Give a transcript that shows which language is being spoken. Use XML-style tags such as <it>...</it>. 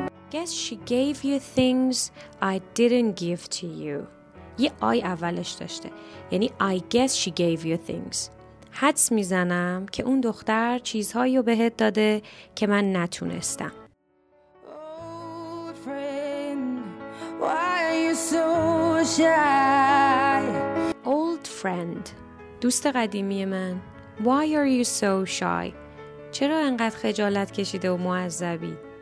<en>Guess she gave you things I didn't give to you.</en> <fa>یه آی اولش داشته، یعنی</fa> <en>I guess she gave you things.</en> <fa>حدس میزنم که اون دختر چیزهایی رو بهت داده که من نتونستم.</fa> <en>Old friend, why are you so shy? Old friend,</en> <fa>دوست قدیمی من.</fa> <en>Why are you so shy?</en> <fa>چرا انقدر خجالت کشیده و معذبی؟</fa>